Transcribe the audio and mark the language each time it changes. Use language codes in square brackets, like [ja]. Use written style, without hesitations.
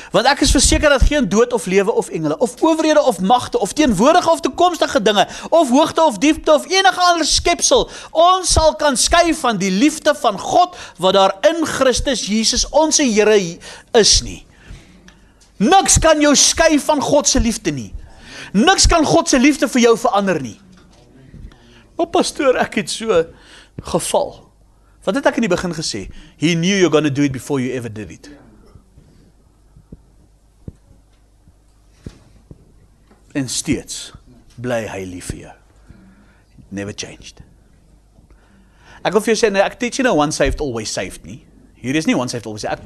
[af] Want ek is verseker dat geen dood of lewe of engele, of owerhede of magte, of teenwoordige of toekomstige dinge, of hoogte of diepte, of enige ander skepsel, ons sal kan skei van die liefde van God, wat daar in Christus Jesus onse Here is nie. Niks kan jou skei van God se liefde nie. Niks kan God se liefde vir jou verander nie. O pastoor, ek het so geval. Wat het ek in die begin gesê? [en] He knew you're going to do it before you ever did it. [af] En steeds bly hy lief vir jou. [en] Never changed. [af] Ek wil vir jou sê, ek [en] teach you [af] nou [en] once saved, always saved [af] nie. Hier is nie once saved, always saved.